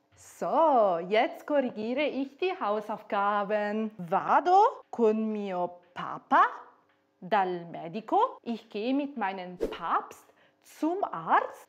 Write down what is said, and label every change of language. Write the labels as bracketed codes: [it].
[de] So, jetzt korrigiere ich die Hausaufgaben. [it] Vado con mio papa dal medico. [de] Ich gehe mit meinem Papst zum Arzt.